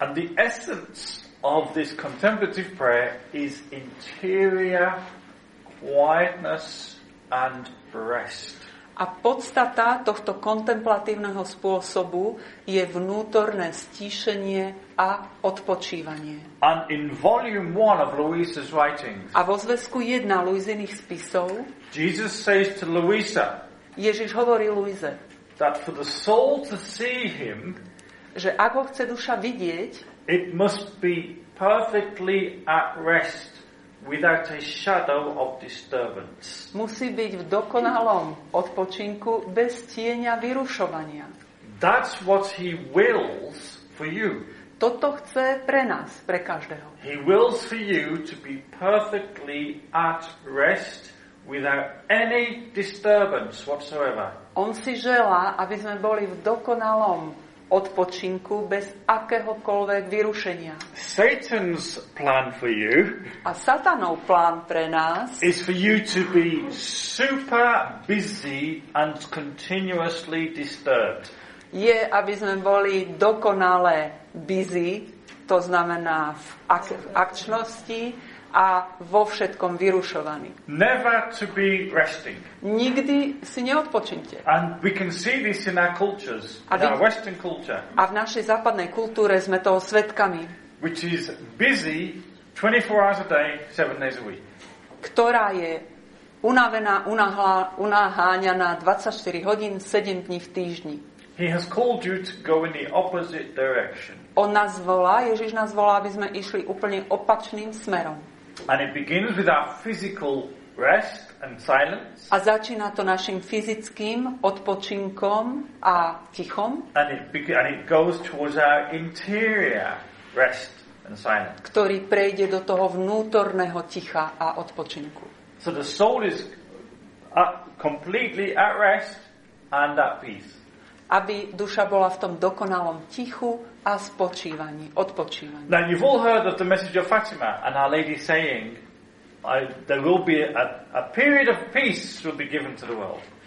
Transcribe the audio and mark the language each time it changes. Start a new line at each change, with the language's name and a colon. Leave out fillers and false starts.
English: And the essence of this contemplative prayer is interior quietness and rest.
Slovak: A podstata tohto kontemplatívneho spôsobu je vnútorné stíšenie a odpočívanie.
English: And in volume 1 of Louisa's writings.
Slovak: A vo zväzku 1 Louisiných spisov.
English: Jesus says to Louisa.
Slovak: Ježiš hovorí Louise.
English: That for the soul to see him,
Slovak: že ako chce duša vidieť,
English: it must be perfectly at rest without a shadow of disturbance.
Slovak: Musí byť v dokonalom odpočinku bez tieňa vyrušovania.
English: That's what he wills for you.
Slovak: Toto chce pre nás, pre každého.
English: He wills for you to be perfectly at rest without any disturbance whatsoever.
Slovak: On si želá, aby sme boli v dokonalom odpočinku bez akéhokoľvek vyrušenia.
English: Satan's plan for you.
Slovak: A Satanov plán pre nás
English: is for you to be super busy and continuously disturbed.
Slovak: Je, aby sme boli dokonale busy, to znamená v akčnosti a vo všetkom vyrušovaní.
English: Never to be resting.
Slovak: Nikdy si neodpočinte.
English: And we can see this in our cultures, in our Western culture.
Slovak: A v našej západnej kultúre sme toho svedkami.
English: Which is busy 24 hours a day, 7 days a week.
Slovak: Ktorá je unavená, unaháňaná 24 hodín, 7 dní v týždni.
English: He has called you to go in the opposite direction.
Slovak: On nás volá, Ježiš nás volá, aby sme išli úplne opačným smerom.
English: And it begins with our physical rest and silence.
Slovak: A začína to našim fyzickým odpočinkom a tichom.
English: And it goes towards our interior rest and silence.
Slovak: Ktorý prejde do toho vnútorného ticha a odpočinku.
English: So the soul is completely at rest and at peace.
Slovak: Aby duša bola v tom dokonalom tichu a spočívaní, odpočívaní.
English: Now you've all heard of the message of Fatima and Our Lady saying there will be a period of peace will be given to the world.